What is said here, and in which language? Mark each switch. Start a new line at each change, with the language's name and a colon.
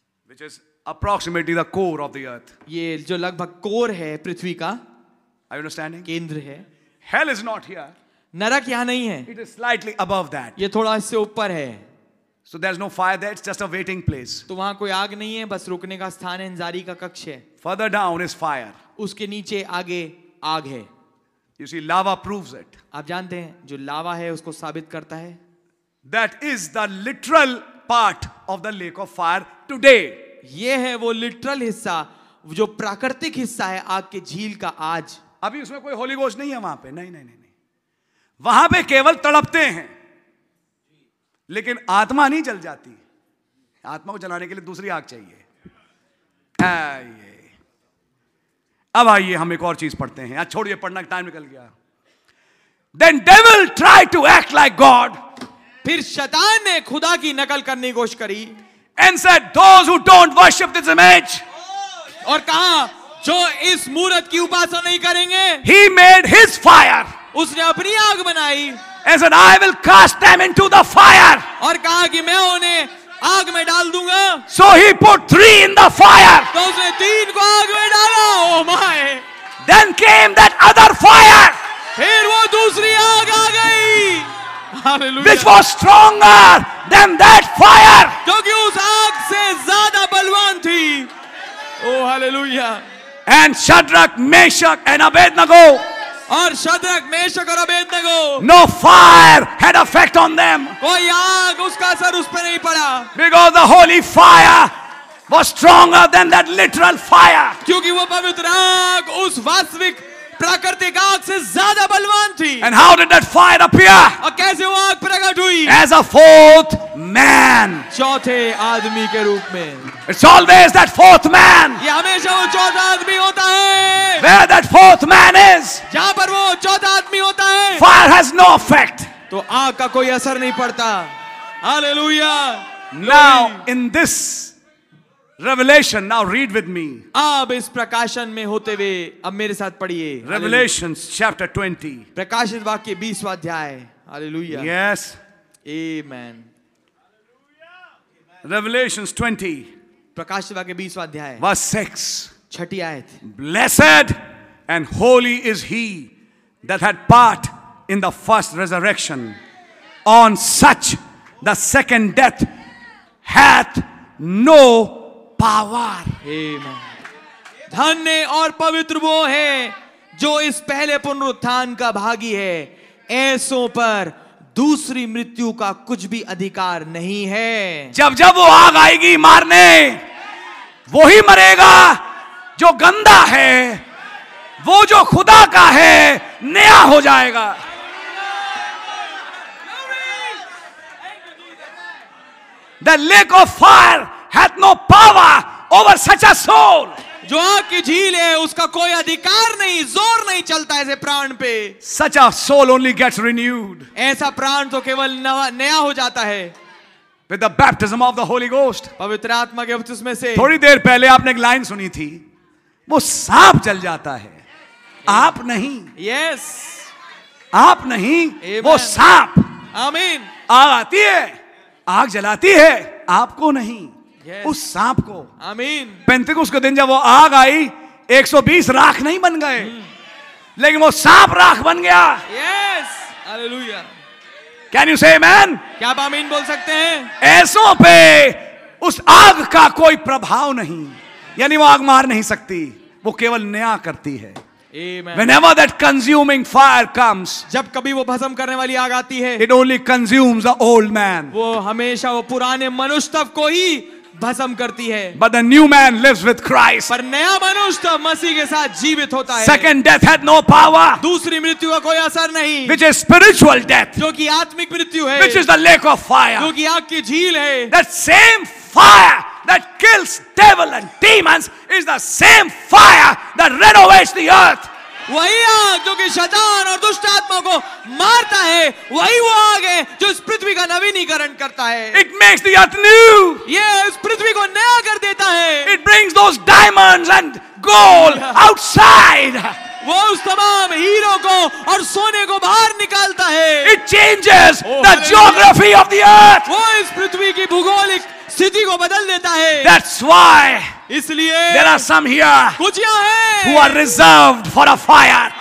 English: Which is approximately the core of the earth.
Hindi: ये जो लगभग कोर है पृथ्वी का.
English: Are you understanding?
Hindi: केंद्र है.
English: Hell is not here.
Hindi: नरक यहां नहीं है.
English: It is slightly above that.
Hindi: ये थोड़ा इससे ऊपर है.
English: So there's no fire there. It's just a waiting place.
Hindi: तो वहां कोई आग नहीं है, बस रुकने का स्थान है, इंतजारी का कक्ष है.
English: Further down is fire.
Hindi: उसके नीचे आगे आग है.
English: You see, lava proves it.
Hindi: आप जानते हैं जो लावा है उसको साबित करता है.
English: That is the literal part of the lake of fire today.
Hindi: ये है वो literal हिस्सा, जो प्राकृतिक हिस्सा है आग के झील का आज. अभी उसमें कोई होली गोश्त नहीं है वहां पे. नहीं नहीं नहीं, वहां पे केवल तड़पते हैं लेकिन आत्मा नहीं जल जाती. आत्मा को जलाने के लिए दूसरी आग चाहिए. आइए अब आइए हम एक और चीज पढ़ते हैं. छोड़िए पढ़ना, टाइम निकल गया.
English: Then devil tried to act like God.
Hindi: फिर शैतान ने खुदा की नकल करने की कोशिश करी.
English: And said, those who don't worship this image.
Hindi: और कहा जो इस मूरत की उपासना नहीं करेंगे.
English: He made his fire.
Hindi: उसने अपनी आग बनाई.
English: And said, I will cast them into the fire.
Hindi: और कहा कि मैं उन्हें आग में डाल दूंगा.
English: So he put three in the fire.
Hindi: तो उसने तीन को आग में डाला.
English: Oh my. Then came that other fire.
Hindi: फिर वो दूसरी आग आ गई.
English: Hallelujah. Which was stronger than that fire.
Hindi: क्योंकि उस आग से ज्यादा बलवान थी.
English: Oh hallelujah. And Shadrach, Meshach and Abednego.
Hindi: और शद्रक, मेशक और Abednego.
English: No fire had effect on them.
Hindi: कोई आग उसका असर उस पर नहीं पड़ा.
English: Because the holy fire was stronger than that literal fire.
Hindi: क्योंकि वो पवित्र आग उस वास्तविक प्राकृतिक आग से ज्यादा बलवान थी.
English: And how did that fire appear?
Hindi: और कैसे वो आग प्रकट हुई?
English: As a fourth man.
Hindi: चौथे आदमी के रूप में.
English: It's always that fourth man.
Hindi: ये हमेशा वो चौथा आदमी होता है.
English: Where that fourth man is.
Hindi: जहां पर वो चौथा आदमी होता है.
English: Fire has no effect.
Hindi: तो आग का कोई असर नहीं पड़ता.
English: Hallelujah. Now in this revelation, now read with me.
Hindi: अब इस प्रकाशन में होते हुए अब मेरे साथ पढ़िए.
English: Revelations chapter 20.
Hindi: प्रकाशित वाक्य 20वां अध्याय.
English: Hallelujah. Yes. Amen. Revelations 20.
Hindi: प्रकाशित वाक्य 20वां अध्याय.
English: Verse 6.
Hindi: छठी आयत.
English: Blessed and holy is he that had part in the first resurrection. On such the second death hath no power. Amen.
Hindi: धन्य और पवित्र वो है जो इस पहले पुनरुत्थान का भागी है, ऐसों पर दूसरी मृत्यु का कुछ भी अधिकार नहीं है. जब जब वो आग आएगी मारने, वो ही मरेगा जो गंदा है, वो जो खुदा का है नया हो जाएगा.
English: The lake of fire hath no power over such a soul.
Hindi: जो आग की झील है उसका कोई अधिकार नहीं, जोर नहीं चलता ऐसे प्राण पे.
English: Such a soul only gets renewed.
Hindi: ऐसा प्राण तो केवल नया हो जाता है.
English: With the baptism of the Holy Ghost.
Hindi: पवित्र आत्मा के उपस्थिति से. थोड़ी देर पहले आपने एक लाइन सुनी थी, वो सांप जल जाता है. Amen. आप नहीं.
English: Yes.
Hindi: आप नहीं.
English: Amen.
Hindi: वो सांप. आमीन. आग आती है, आग जलाती है, आपको नहीं.
English: Yes.
Hindi: उस सांप को. आमीन. पेंतेकोस्ट के दिन जब वो आग आई, 120 राख नहीं बन गए. Hmm. लेकिन वो सांप राख बन गया.
English: Yes. Hallelujah. Can you say amen?
Hindi: क्या आप आमीन बोल सकते हैं? ऐसों पे उस आग का कोई प्रभाव नहीं, यानी वो आग मार नहीं सकती, वो केवल नया करती है.
English: Amen. Whenever that consuming fire comes,
Hindi: जब कभी वो भस्म करने वाली आग आती है,
English: it only consumes the old man.
Hindi: वो हमेशा वो पुराने मनुष्यत्व को ही भस्म करती है.
English: But the new man lives with Christ.
Hindi: पर नया मनुष्यत्व मसीह के साथ जीवित होता है.
English: Second death had no power.
Hindi: दूसरी मृत्यु का कोई असर नहीं.
English: Which is spiritual death.
Hindi: जो कि आत्मिक मृत्यु है.
English: Which is the lake of fire.
Hindi: जो कि आग की झील है.
English: That same fire that kills devil and demons is the same fire that renovates the earth.
Hindi: वही आग जो कि शैतान और दुष्ट आत्मा को मारता है, वही वो आग है जो इस पृथ्वी का नवीनीकरण करता है.
English: It makes the earth new.
Hindi: ये इस पृथ्वी को नया कर देता है.
English: It brings those diamonds and gold outside.
Hindi: वो उस तमाम हीरों को और सोने को बाहर निकालता है.
English: It changes the geography of the earth.
Hindi: वो इस पृथ्वी की भूगोलिक स्थिति को बदल देता है.
English: That's why.
Hindi: इसलिए.
English: There are some here.
Hindi: कुछ यहाँ हैं.
English: Who are reserved for a fire.